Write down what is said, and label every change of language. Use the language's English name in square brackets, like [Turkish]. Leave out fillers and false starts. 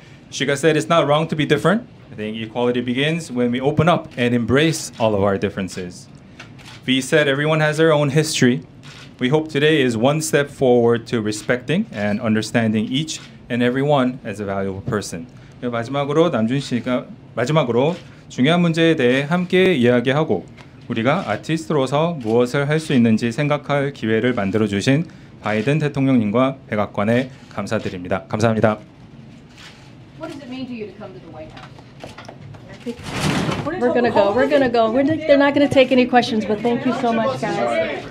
[English] Shiga said, it's not wrong to be different. I think equality begins when we open up and embrace all of our differences. V said everyone has their own history. We hope today is one step forward to respecting and understanding each and every one as a valuable person. [Korean] 마지막으로 남준 씨가 마지막으로 중요한 문제에 대해 함께 이야기하고 우리가 아티스트로서 무엇을 할 수 있는지 생각할 기회를 만들어 주신 바이든 대통령님과 백악관에 감사드립니다. 감사합니다. [English] What does it mean to you to come to the White House? We're gonna go. We're gonna go. We're not, they're not gonna take any questions, but thank you so much, guys.